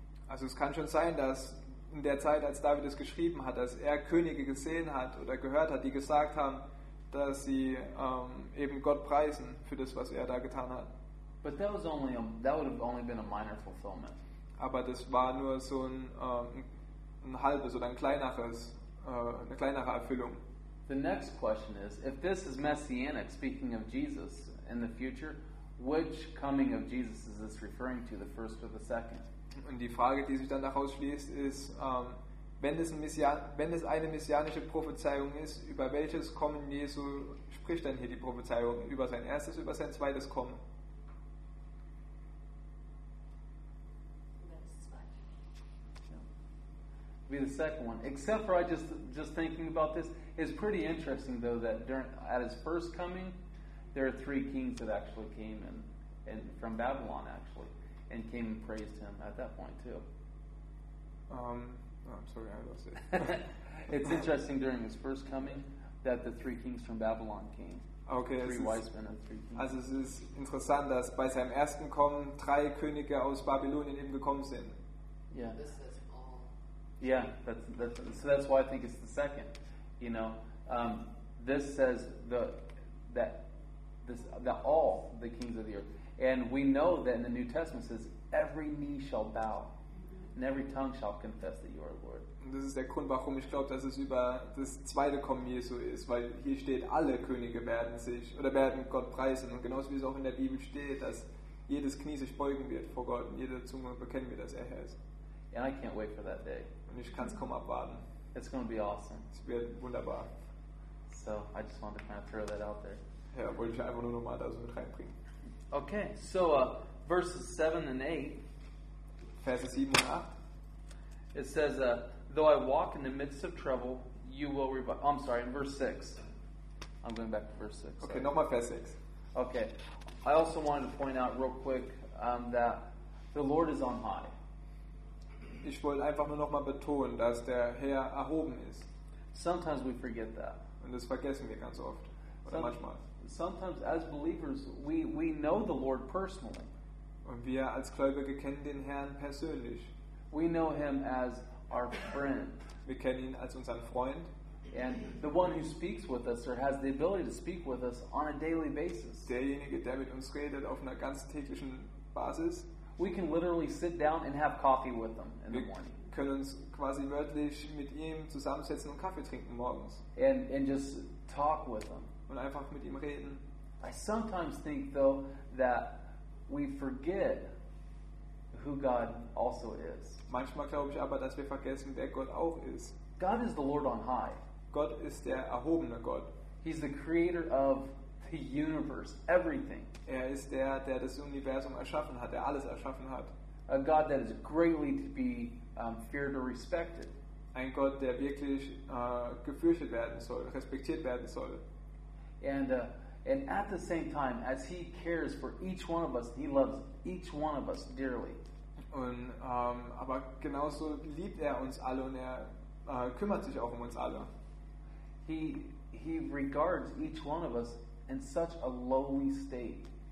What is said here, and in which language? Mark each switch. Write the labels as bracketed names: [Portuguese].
[German] Also es kann schon sein, dass in der Zeit, als David es geschrieben hat, dass er Könige gesehen hat oder gehört hat, die gesagt haben, dass sie eben Gott preisen für das, was er da getan hat. [English] But that was only that would have only been a minor fulfillment. [German] Aber das war nur so ein halbes oder ein kleineres eine kleinere Erfüllung. [English] The next question is, if this is messianic, speaking of Jesus in the future, which coming of Jesus is this referring to, the first or the second? [German] Und die Frage, die sich dann daraus schließt, ist, wenn es eine messianische Prophezeiung ist, über welches Kommen Jesu spricht denn hier die Prophezeiung? Über sein erstes, über sein zweites Kommen? [English] Be the second one. Except for I just thinking about this, it's pretty interesting though that during at his first coming, there are three kings that actually came and from Babylon actually and came and praised him at that point too. I'm sorry, I lost it. It's interesting during his first coming that the three kings from Babylon came. Okay, three wise men and three kings. [German] Also es ist interessant, dass bei seinem ersten Kommen drei Könige aus Babylonien eben gekommen sind. [English] Yeah. Yeah, that's why I think it's the second. You know, this says that all the kings of the earth, and we know that in the New Testament it says every knee shall bow, and every tongue shall confess that you are Lord. [German] Und das ist der Grund, warum ich glaube, dass es über das zweite Kommen Jesu ist, weil hier steht, alle Könige werden Gott preisen, und genauso wie es auch in der Bibel steht, dass jedes Knie sich beugen wird vor Gott und jede Zunge bekennen wird, dass er Herr ist. [English] And I can't wait for that day. [German] Und ich kann es kaum abwarten. [English] It's going to be awesome. [German] Es wird wunderbar. [English] So, I just wanted to kind of throw that out there. [German] Ja, wollte ich einfach nur nochmal da so mit reinbringen. [English] Okay, so verses 7 and 8. [German] Verses 7 und 8. [English] It says, though I walk in the midst of trouble, you will revive. I'm sorry, in verse 6. I'm going back to verse 6. [German] Okay, nochmal Vers 6. Okay. [English] I also wanted to point out real quick that the Lord is on high. [German] Ich wollte einfach nur noch mal betonen, dass der Herr erhoben ist. [English] Sometimes we forget that. [German] Und das vergessen wir ganz oft oder manchmal. [English] Sometimes as believers we know the Lord personally. [German] Und wir als Gläubige kennen den Herrn persönlich. [English] We know him as our friend. [German] Wir kennen ihn als unseren Freund. [English] And the one who speaks with us or has the ability to speak with us on a daily basis. [German] Derjenige, der mit uns redet auf einer ganz täglichen Basis. [English] We can literally sit down and have coffee with them in [German] wir [English] the morning. [German] Wir können uns quasi wörtlich mit ihm zusammensetzen und Kaffee trinken morgens. [English] And just talk with him. [German] Und einfach mit ihm reden. [English] I sometimes think though that we forget who God also is. [German] Manchmal glaube ich aber, dass wir vergessen, wer Gott auch ist. [English] God is the Lord on high. [German] Gott ist der erhobene Gott. [English] He's the creator of the universe, everything. [German] Er ist der, der das Universum erschaffen hat, der alles erschaffen hat. [English] A God that is greatly to be feared or respected. [German] Ein Gott, der wirklich gefürchtet werden soll, respektiert werden soll. [English] And at the same time, as he cares for each one of us, he loves each one of us dearly. [German] Und aber genauso liebt er uns alle und er kümmert sich auch um uns alle. [English] He regards each one of us in such a lowly state.